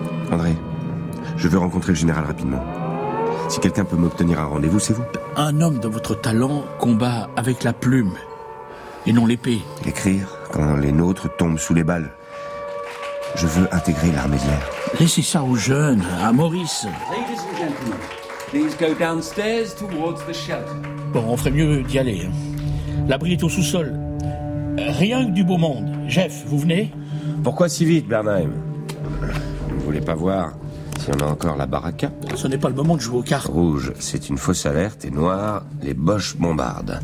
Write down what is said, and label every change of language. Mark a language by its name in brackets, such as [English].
[French] André, je veux rencontrer le général rapidement. Si quelqu'un peut m'obtenir un rendez-vous, c'est vous. Un homme de votre talent combat avec la plume et non l'épée. Écrire quand les nôtres tombent sous les balles. Je veux intégrer l'armée de l'air. Laissez ça aux jeunes, à Maurice. [English] Ladies and gentlemen, please go downstairs towards the shelter. [French] Bon, on ferait mieux d'y aller. L'abri est au sous-sol. Rien que du beau monde. Jeff, vous venez ? Pourquoi si vite, Bernheim ? Vous ne voulez pas voir ? Si on a encore la baraka. Ce n'est pas le moment de jouer aux cartes. Rouge, c'est une fausse alerte, et noir, les boches bombardent.